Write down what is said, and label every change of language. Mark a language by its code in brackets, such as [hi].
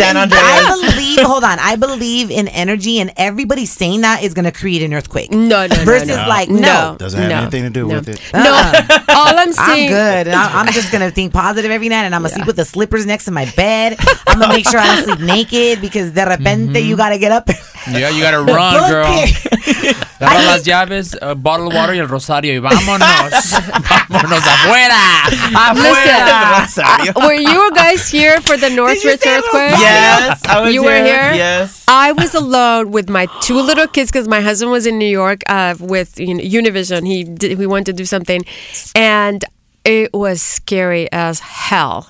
[en] I believe in energy, and everybody saying that is going to create an earthquake. No. Versus like, no. Doesn't have anything to do with it. No. All I'm saying. I'm good. I'm just going to think positive every night, and I'm going to sleep with the slippers next to my bed. I'm going to make sure I don't sleep naked because [es] de repente [en] you got to get up. Yeah, you got to run, girl. [es] Dame las llaves, [en] a bottle of water, [es] y el rosario. Y vámonos. Vámonos afuera. Afuera. [en] Were you guys here for the Northridge earthquake? Yes, I was. You were here? Yes. I was alone with my two little kids because my husband was in New York with Univision. He went to do something. And it was scary as hell.